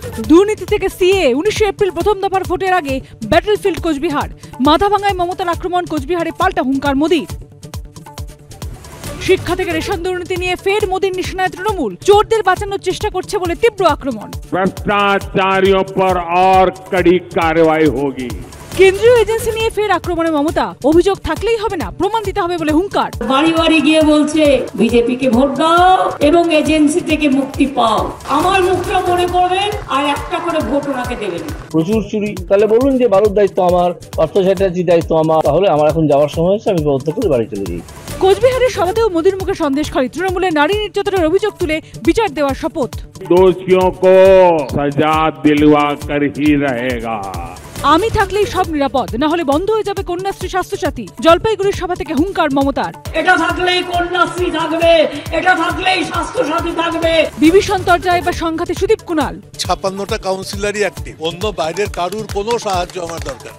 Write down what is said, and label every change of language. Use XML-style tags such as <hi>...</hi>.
<bn>দুর্নীতি থেকে CA, 19 April প্রথম দফার ভোটের আগে ব্যাটলফিল্ড কোচবিহার, মাথাভাঙায় মমতার আক্রমণ, কোচবিহারে পাল্টা হুঙ্কার মোদী। শিক্ষা থেকে রেশন দুর্নীতি নিয়ে ফের মোদীর নিশানায় তৃণমূল, চোরদের বাঁচানোর চেষ্টা করছে বলে তীব্র আক্রমণ।</bn> <hi>ভ্রষ্টাচারিয়ों पर और कड़ी कार्रवाई होगी।</hi> <bn>কেন্দ্রীয় এজেন্সি নিয়ে ফের আক্রমণে মমতা, অভিযোগ থাকলেই হবে না, প্রমাণ দিতে হবে বলে হুঙ্কার। বাড়ি বাড়ি গিয়ে বলছে বিজেপি কে ভোট দাও এবং এজেন্সি থেকে মুক্তি পাও, আমার মুখটা মনে পড়বে আর একটা করে ভোট ওনাকে দেবেন। প্রচুর চুরি, তাহলে বলুন যে বারুদ দায়িত্ব আমার, অর্থ চ্যাটার্জি দায়িত্ব আমার, তাহলে আমার এখন যাওয়ার সময় হয়েছে, আমি বদ্ধ করে বাড়ি চলে যাই। কোচবিহারের সভাতেও মোদীর মুখে সন্দেশ খালি, তৃণমূলে নারী নির্যাতনের অভিযোগ তুলে বিচার দেওয়ার শপথ।</bn> <hi>দোষীয়ों को सजा दिलवा कर ही रहेगा।</hi> <bn>আমি থাকলেই সব নিরাপদ, না হলে বন্ধ হয়ে যাবে কন্যাশ্রী স্বাস্থ্যসাথী। জলপাইগুড়ির সভা থেকে হুঙ্কার মমতার। এটা থাকলেই কন্যাশ্রী থাকবে, এটা থাকলেই স্বাস্থ্যসাথী থাকবে। বিভীষণ তর্জায় বা সংঘাতে সুদীপ কুণাল, 56টা কাউন্সিলরই অ্যাক্টিভ, অন্য বাইরের কারুর কোনো সাহায্য আমার দরকার।</bn>